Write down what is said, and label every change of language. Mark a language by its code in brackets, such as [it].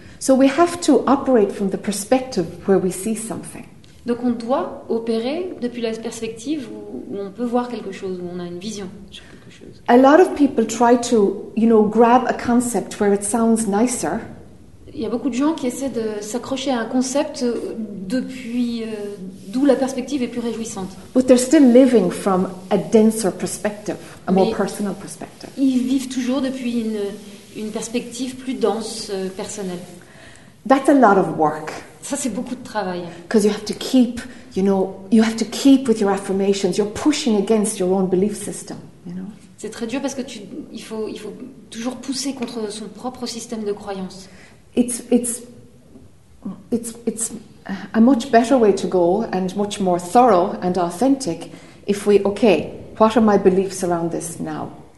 [en] So we have to operate from the perspective where we see something. [fr] Donc on doit opérer depuis la perspective où on peut voir quelque chose, où on a une vision sur quelque chose. [en] A lot of people try to, you know, grab a concept where it sounds nicer. [fr] Il y a beaucoup de gens qui essaient de s'accrocher à un concept depuis d'où la perspective est plus réjouissante. [en] But they're still living from a denser perspective, a more personal perspective. [fr] Ils vivent toujours depuis une perspective plus dense, personnelle. [en] That's a lot of work. [fr] Ça, c'est beaucoup de travail. [en] Because you have to keep, you know, you have to keep with your affirmations. You're pushing against your own belief system, you know. [fr] C'est très dur parce que il faut toujours pousser contre son propre système de croyance. [en] It's a much better way to go and much more thorough and authentic if we, okay, what are my beliefs around this now?